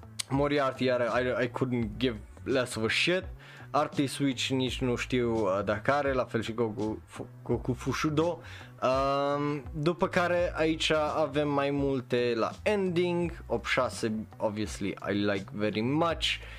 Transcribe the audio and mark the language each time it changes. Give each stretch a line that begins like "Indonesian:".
English: Moriarty iară, I couldn't give less of a shit.
Romanian: Artist Switch nici nu știu dacă are, la fel și Goku Fushudo. După care aici avem mai multe la ending.
English: 86 obviously I like very much.